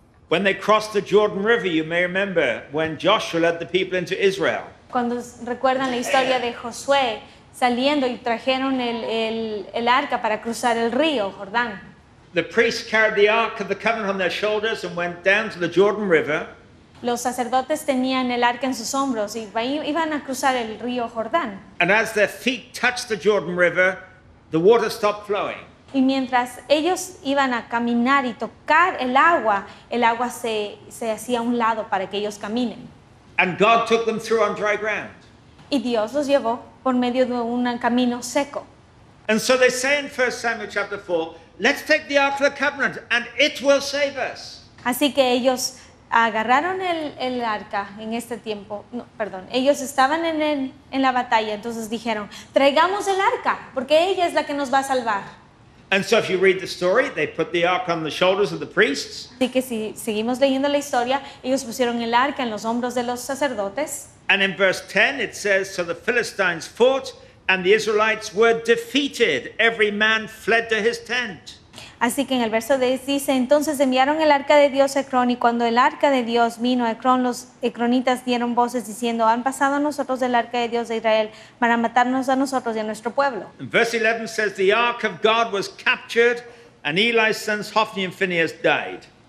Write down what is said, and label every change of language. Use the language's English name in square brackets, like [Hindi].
[English] When they crossed the Jordan River, you may remember when Joshua led the people into Israel. [Spanish] Cuando recuerdan la historia de Josué saliendo y trajeron el arca para cruzar el río Jordán. [English] The priests carried the ark of the covenant on their shoulders and went down to the Jordan River. [Spanish] Los sacerdotes tenían el arca en sus hombros y iban a cruzar el río Jordán. [English] And as their feet touched the Jordan River, the water stopped flowing. [Spanish] Y mientras ellos iban a caminar y tocar el agua se hacía a un lado para que ellos caminen. [English] And God took them through on dry ground. [Spanish] Y Dios los llevó por medio de un camino seco. [English] And so they say in 1 Samuel chapter 4, let's take the Ark of the Covenant and it will save us. [Spanish] Así que ellos agarraron el arca en este tiempo, no, perdón, ellos estaban en la batalla, entonces dijeron, traigamos el arca porque ella es la que nos va a salvar. [English] And so if you read the story, they put the ark on the shoulders of the priests. [Spanish] Así que si seguimos leyendo la historia, ellos pusieron el arca en los hombros de los sacerdotes. [English] And in verse 10 it says, so the Philistines fought and the Israelites were defeated. Every man fled to his tent. [Spanish] Así que en el verso 10 dice, entonces enviaron el arca de Dios a Ecrón y cuando el arca de Dios vino a Ecrón, los ecronitas dieron voces diciendo, han pasado a nosotros del arca de Dios de Israel para matarnos a nosotros y a nuestro pueblo. [English] And verse 11 says, the ark of God was captured and Eli's sons Hophni and Phinehas died.